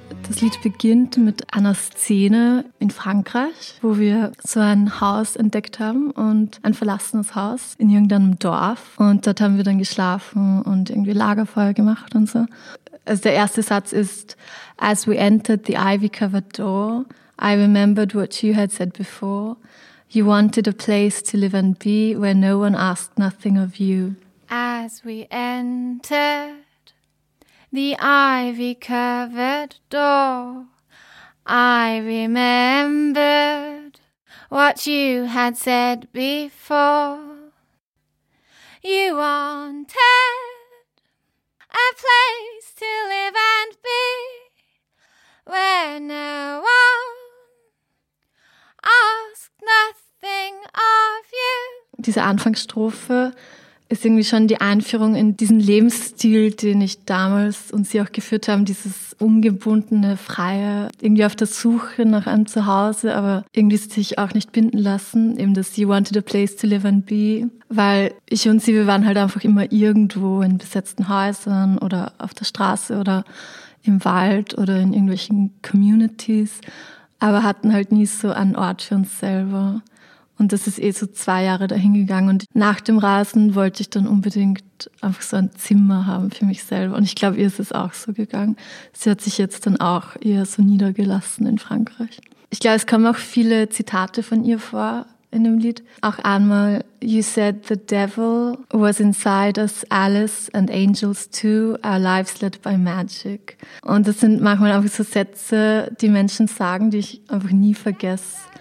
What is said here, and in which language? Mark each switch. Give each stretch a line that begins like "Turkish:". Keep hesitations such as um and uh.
German: Das Lied beginnt mit einer Szene in Frankreich, wo wir so ein Haus entdeckt haben und ein verlassenes Haus in irgendeinem Dorf. Und dort haben wir dann geschlafen und irgendwie Lagerfeuer gemacht und so. Also der erste Satz ist,
English: as we entered the ivy covered door, I remembered what you had said before. You wanted a place to live and be where no one asked nothing of you. As we entered the ivy covered door. I remembered what you had said before. You wanted a place to live and be where no one asked nothing of you.
German: Diese Anfangsstrophe ist irgendwie schon die Einführung in diesen Lebensstil, den ich damals und Sie auch geführt haben, dieses ungebundene, freie, irgendwie auf der Suche nach einem Zuhause, aber irgendwie sich auch nicht binden lassen, eben das
English: You wanted a place to live and be,
German: weil ich und Sie, wir waren halt einfach immer irgendwo in besetzten Häusern oder auf der Straße oder im Wald oder in irgendwelchen Communities, aber hatten halt nie so einen Ort für uns selber. Und das ist eh so zwei Jahre dahingegangen. Und nach dem Rasen wollte ich dann unbedingt einfach so ein Zimmer haben für mich selber. Und ich glaube, ihr ist es auch so gegangen. Sie hat sich jetzt dann auch eher so niedergelassen in Frankreich. Ich glaube, es kommen auch viele Zitate von ihr vor in dem Lied. Auch einmal,
English: You said the devil was inside us, Alice and angels too, our lives led by magic.
German: Und das sind manchmal einfach so Sätze, die Menschen sagen, die ich einfach nie vergesse.